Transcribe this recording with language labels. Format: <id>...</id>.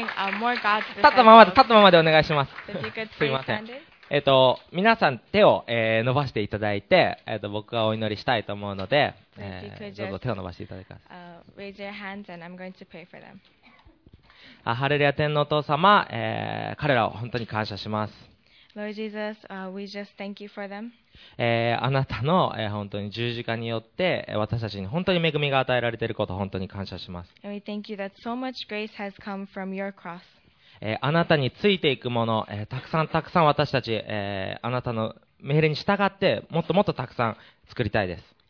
<ja>ったままで、立ったままでお願いします。すいません、皆さん手を、伸ばしていただいて、僕がお祈りしたいと思うので、どうぞ手を伸ばしていただきます。</ja> <en>Raise your hands and I'm going to pray for them.</en> <ja>ハレルヤ天のお父様、彼らを本当に感謝します。</ja> <en>Lord Jesus, we just thank you for them.</en> <ja>あなたの、本当に十字架によって、私たちに本当に恵みが与えられていることを本当に感謝します。あなたについていくもの、たくさんたくさん私たち、あなたの命令に従ってもっともっとたくさん作りたいです。</ja>